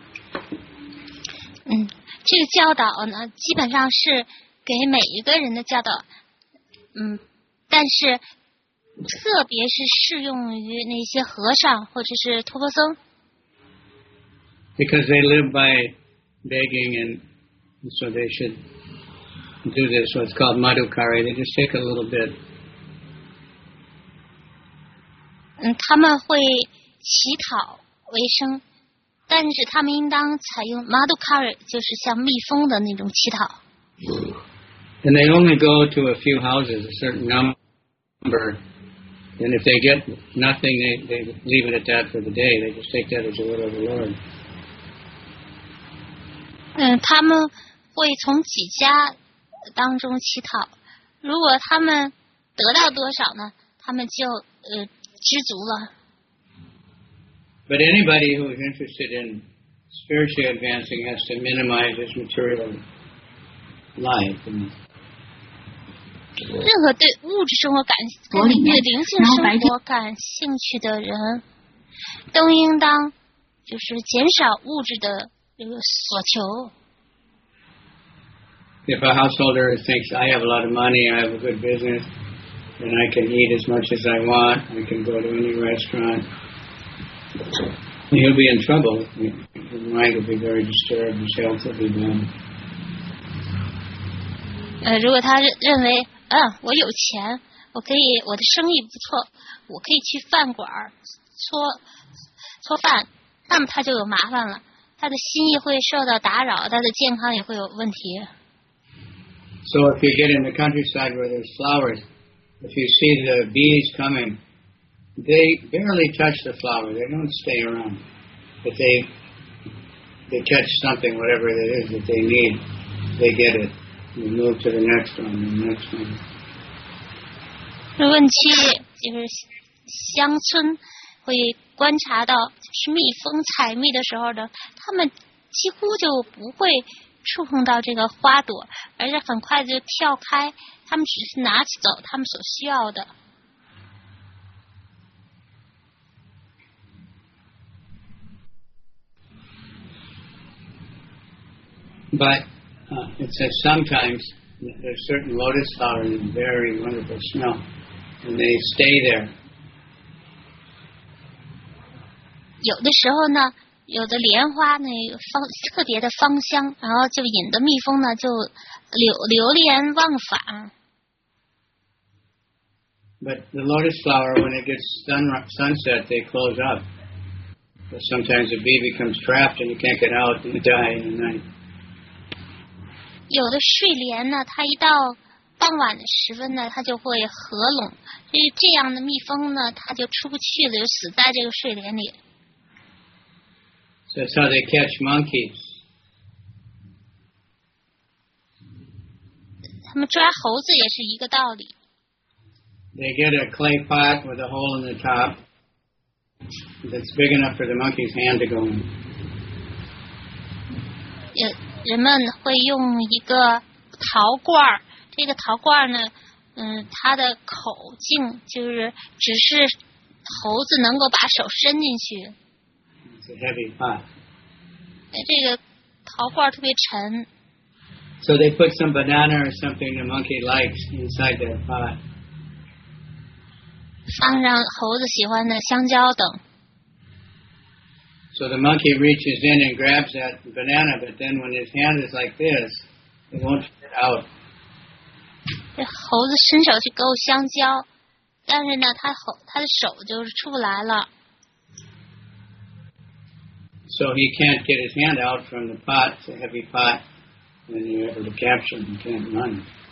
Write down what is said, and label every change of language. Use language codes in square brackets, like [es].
[zh] 这个教导呢，基本上是给每一个人的教导，但是特别是适用于那些和尚或者是托钵僧。 [en] Because they live by begging, and so they should do this. So it's called madhukari. They just take a little bit. [zh] 他们会乞讨为生，但是他们应当采用 madhukari， 就是像蜜蜂的那种乞讨。 [en] And they only go to a few houses, a certain number. And if they get nothing, they leave it at that for the day. They just take that as the will of the Lord. [zh] 他们会从几家当中乞讨。如果他们得到多少呢？他们就知足了。 [en] But anybody who is interested in spiritually advancing has to minimize his material life. [zh] 任何对物质生活感兴趣、灵性生活感兴趣的人，都应当就是减少物质的所求。 [en] If a householder thinks I have a lot of money, I have a good business, and I can eat as much as I want, I can go to any restaurant, he'll be in trouble. His mind will be very disturbed, his health will be bad. [zh] 如果他认为啊，我有钱，我可以，我的生意不错，我可以去饭馆搓饭，那么他就有麻烦了，他的心意会受到打扰，他的健康也会有问题。 [en] So if you get in the countryside where there's flowers, if you see the bees coming, they barely touch the flower. They don't stay around. But they catch something, whatever it is that they need, they get it. They move to the next one, the next one. [zh] 如果你去就是乡村，会观察到就是蜜蜂采蜜的时候的，他们几乎就不会触碰到这个花朵，而且很快就跳开，他们只是拿起走他们所需要的。 [en] But it says sometimes there's certain lotus flowers with very wonderful smell, and they stay there. [zh] 有的时候呢，有的莲花那芳特别的芳香，然后就引得蜜蜂呢就流连忘返。 [en] But the lotus flower, when it gets sunset, they close up. But sometimes a bee becomes trapped and you can't get out and you die in the night. [zh] 有的睡莲呢，它一到傍晚的时分呢，它就会合拢，所以这样的蜜蜂呢，它就出不去了，就死在这个睡莲里。 [en] So that's how they catch monkeys. [zh] 他们抓猴子也是一个道理。 [en] They get a clay pot with a hole in the top that's big enough for the monkey's hand to go in. [zh] 人们会用一个陶罐，这个陶罐呢，它的口径就是只是猴子能够把手伸进去。 [en] It's a heavy pot. [zh] 这个陶罐特别沉。 [en] So they put some banana or something the monkey likes inside their pot. [zh] 放上猴子喜欢的香蕉等。 [en] So the monkey reaches in and grabs that banana, but then when his hand is like this, it won't fit out. [zh] 这猴子伸手去勾香蕉，但是呢，他的手就是出不来了。 [en] So he can't get his hand out from the pot, it's a heavy pot, and you're able to capture him, he can't run.